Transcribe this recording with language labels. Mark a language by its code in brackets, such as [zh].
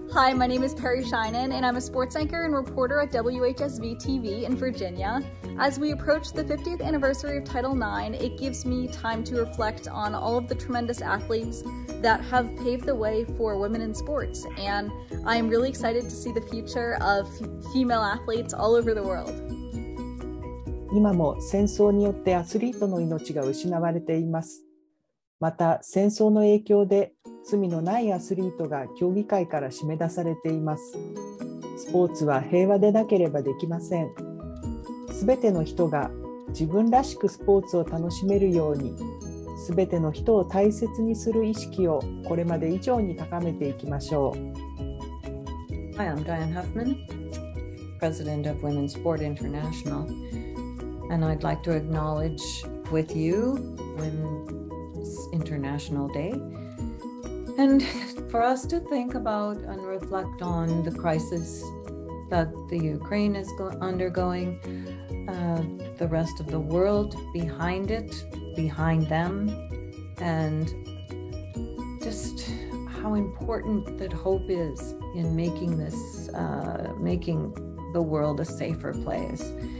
[en] Hi, my name is Perry Shinen, and I'm a sports anchor and reporter at WHSV TV in Virginia. As we approach the 50th anniversary of Title IX, it gives me time to reflect on all of the tremendous athletes that have paved the way for women in sports, and I am really excited to see the future of female athletes all over the world. [ja] 今も戦争によってアスリートの命が失われています。また戦争の影響で罪のないアスリートが競技会から締め出されています。スポーツは平和でなければできません。すべての人が自分らしくスポーツを楽しめるように、すべての人を大切にする意識をこれまで以上に高めていきましょう。 [en] Hi, I'm Diane Huffman, President of Women's Sport International, and I'd like to acknowledge with you Women's International Day. And for us to think about and reflect on the crisis that the Ukraine is undergoing, the rest of the world behind it, behind them, and just how important that hope is in making this, making the world a safer place.